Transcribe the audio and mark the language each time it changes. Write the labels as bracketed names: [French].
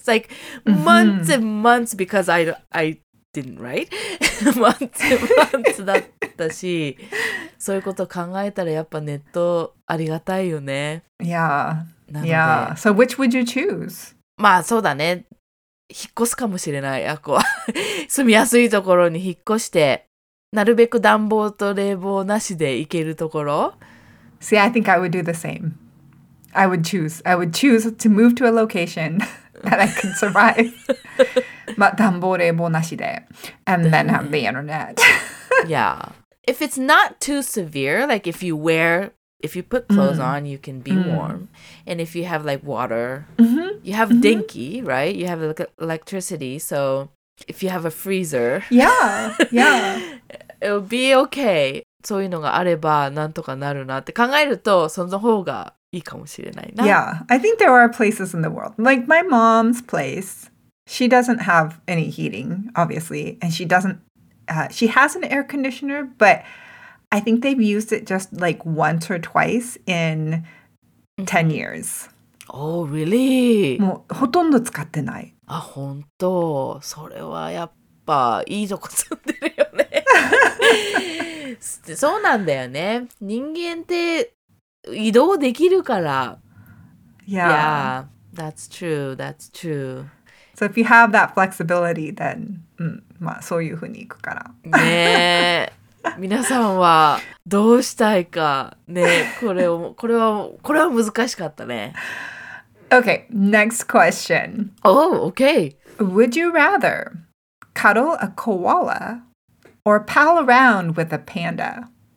[English] It's like months and months because I didn't write months and months [Japanese] だったし、そういうこと考えたらやっぱネットありがたいよね。 [English] Yeah, yeah. So which would you choose? [Japanese] まあそうだね、引っ越すかもしれない。あこは住みやすいところに引っ越して、なるべく暖房と冷房なしで行けるところ。 [English] See, I think I would do the same. I would choose. I would choose to move to a location that I can survive. [Japanese] まあ、暖房冷房なしで。 [English] And then have the internet. Yeah. If it's not too severe, like if you wear... If you put clothes on, you can be warm. And if you have like water, you have denki, right? You have electricity. So if you have a freezer, yeah, it'll be okay. [Japanese] そういうのがあればなんとかなるなって考えるとその方がいいかもしれないな。 [English] Yeah, I think there are places in the world. Like my mom's place, she doesn't have any heating, obviously. And she doesn't, she has an air conditioner, but... I think they've used it just like once or twice in 10 years. Oh, really? [Japanese] もうほとんど使ってない。あ、本当。それはやっぱいいとこ住んでるよね。そうなんだよね。人間って移動できるから。 [English] Yeah. Yeah, that's true. That's true. So if you have that flexibility, then, [Japanese] まあそういうふうに行くから。ねえ。皆さんはどうしたいかね、これは難しかったね。 [English] Okay, next question. Oh, okay. Would you rather cuddle a koala or pal around with a panda?